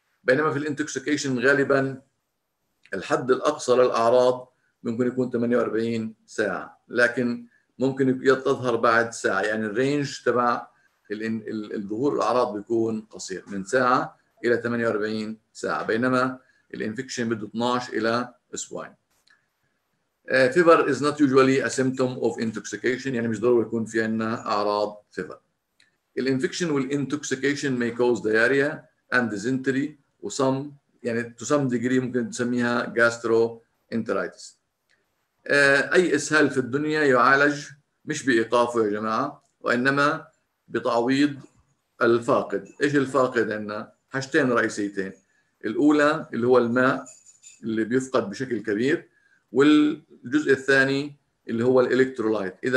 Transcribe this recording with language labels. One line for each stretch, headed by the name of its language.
Arabic: بينما في الانتوكسيكيشن غالبا الحد الاقصى للاعراض ممكن يكون 48 ساعه، لكن ممكن يظهر بعد ساعه، يعني الرينج تبع الظهور الاعراض بيكون قصير من ساعه الى 48 ساعه، بينما الانفكشن بده 12 الى اسبوعين.
English: Fever is not usually a symptom of intoxication.
Arabic: يعني مش ضروري يكون في عنا أعراض fever.
English: The infection with intoxication may cause diarrhea and dysentery و some, يعني to some degree ممكن تسميها gastroenteritis.
Arabic: أي إسهال في الدنيا يعالج مش بإيقافه يا جماعة، وإنما بتعويض الفاقد. إيش الفاقد عنا؟ حاجتين رئيسيتين. الأولى اللي هو الماء اللي بيفقد بشكل كبير، والجزء الثاني اللي هو الإلكترولايت.